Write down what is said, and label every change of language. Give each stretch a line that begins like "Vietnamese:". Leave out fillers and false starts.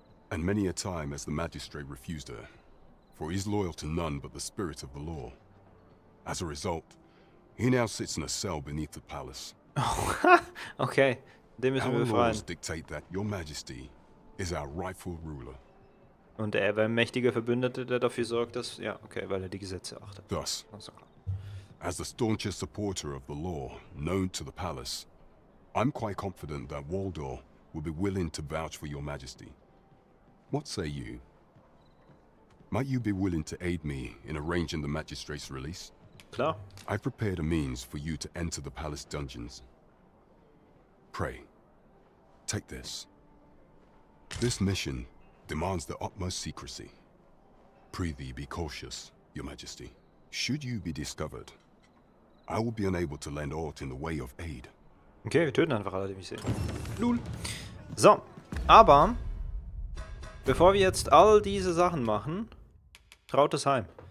English: And many a time has the magistrate refused her, for he is loyal to none but the spirit of the law. As a result, he now sits in a cell beneath the palace.
German: Okay, dem müssen wir befreien.
English: Our laws dictate that your majesty is our rightful ruler.
German: Und er war ein mächtiger Verbündeter, der dafür sorgt, dass... Ja, okay, weil er die Gesetze achtet.
English: Thus, as the staunchest supporter of the law known to the palace, I'm quite confident that Waldor will be willing to vouch for your majesty. What say you? Might you be willing to aid me in arranging the magistrate's release?
German: Klar.
English: I've prepared a means for you to enter the palace dungeons. Pray, take this. This mission demands the utmost secrecy. Prithee, be cautious, your majesty. Should you be discovered, I will be unable to lend aught in the way of aid.
German: Okay, wir töten einfach alle, die mich sehen. Lul. So, aber bevor wir jetzt all diese Sachen machen, trautes Heim.